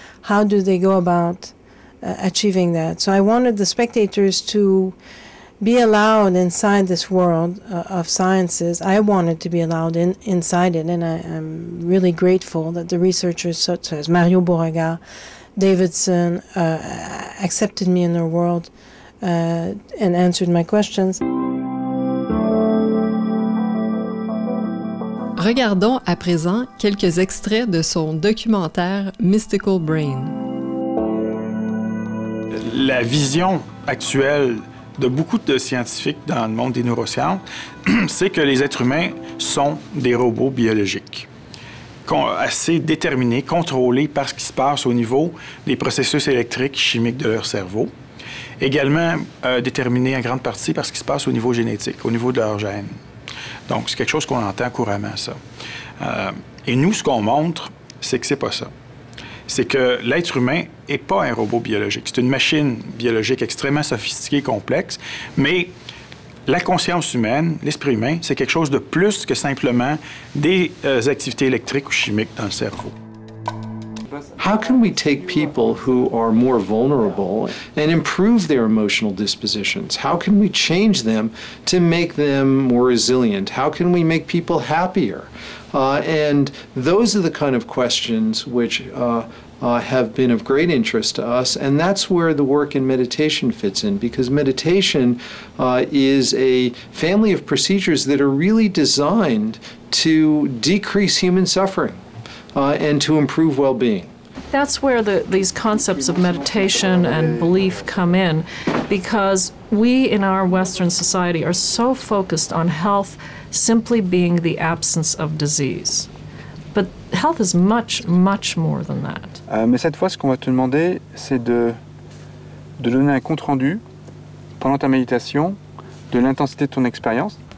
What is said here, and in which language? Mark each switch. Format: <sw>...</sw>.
<en>How do they go about achieving that? So I wanted the spectators to be allowed inside this world of sciences. I wanted to be allowed inside it, and I'm really grateful that the researchers such as Mario Borrega, Davidson, accepted me in their world and answered my questions.</en> <fr>Regardons à présent quelques extraits de son documentaire Mystical Brain. La vision actuelle de beaucoup de scientifiques dans le monde des neurosciences, c'est que les êtres humains sont des robots biologiques, assez déterminés, contrôlés par ce qui se passe au niveau des processus électriques, chimiques de leur cerveau, également déterminés en grande partie par ce qui se passe au niveau génétique, au niveau de leur gène. Donc, c'est quelque chose qu'on entend couramment, ça. Et nous, ce qu'on montre, c'est que c'est pas ça. C'est que l'être humain n'est pas un robot biologique. C'est une machine biologique extrêmement sophistiquée et complexe, mais la conscience humaine, l'esprit humain, c'est quelque chose de plus que simplement des activités électriques ou chimiques dans le cerveau.</fr> <en>How can we take people who are more vulnerable and improve their emotional dispositions? How can we change them to make them more resilient? How can we make people happier? And those are the kind of questions which have been of great interest to us, and that's where the work in meditation fits in, because meditation is a family of procedures that are really designed to decrease human suffering and to improve well-being. That's where these concepts of meditation and belief come in, because we in our Western society are so focused on health simply being the absence of disease. But health is much, much more than that.</en> <fr>Mais cette fois, ce qu'on va te demander, c'est de donner un compte rendu pendant ta méditation de l'intensité de ton expérience.</fr>